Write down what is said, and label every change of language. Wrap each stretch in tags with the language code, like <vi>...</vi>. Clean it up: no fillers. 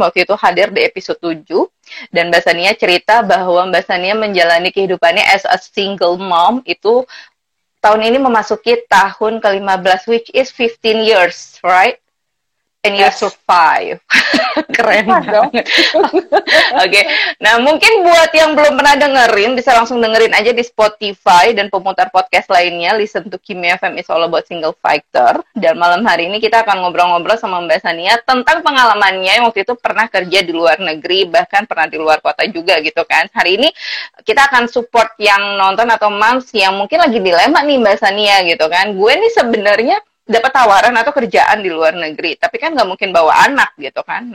<id>Waktu itu hadir di episode 7 dan Mbak Sania cerita bahwa Mbak Sania menjalani kehidupannya</id> <en>as a single mom</en> <id>itu tahun ini memasuki tahun ke-15</id> <en>which is 15 years, right? And you survive.</en> <id>Keren banget.</id> <en>Okay.</en> <id>Nah, mungkin buat yang belum pernah dengerin, bisa langsung dengerin aja di Spotify dan pemutar podcast lainnya.</id> <en>Listen to Kimi FM is all about single fighter.</en> <id>Dan malam hari ini kita akan ngobrol-ngobrol sama Mbak Sania tentang pengalamannya yang waktu itu pernah kerja di luar negeri, bahkan pernah di luar kota juga gitu kan. Hari ini kita akan support yang nonton atau moms yang mungkin lagi dilema nih Mbak Sania gitu kan. Gue nih sebenarnya dapat tawaran atau kerjaan di luar negeri, tapi kan nggak mungkin bawa anak gitu kan.</id>